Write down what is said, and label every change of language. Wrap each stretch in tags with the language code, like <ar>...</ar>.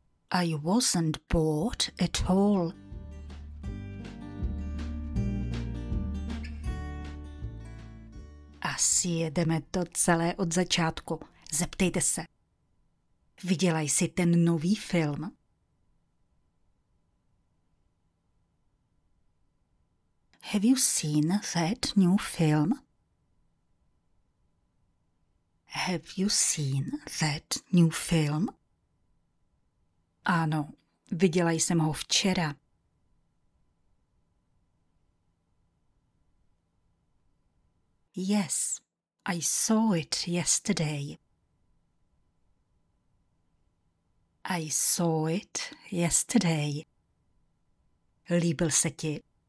<en>I wasn't bored at all.</en> <cs>Asi jedeme to celé od začátku. Zeptejte se. Viděla jsi ten nový film?</cs> <en>Have you seen that new film? Have you seen that new film?</en> <cs>Ano, viděla jsem ho včera.</cs> <en>Yes, I saw it yesterday. I saw it yesterday.</en> <cs>Líbil se ti?</cs>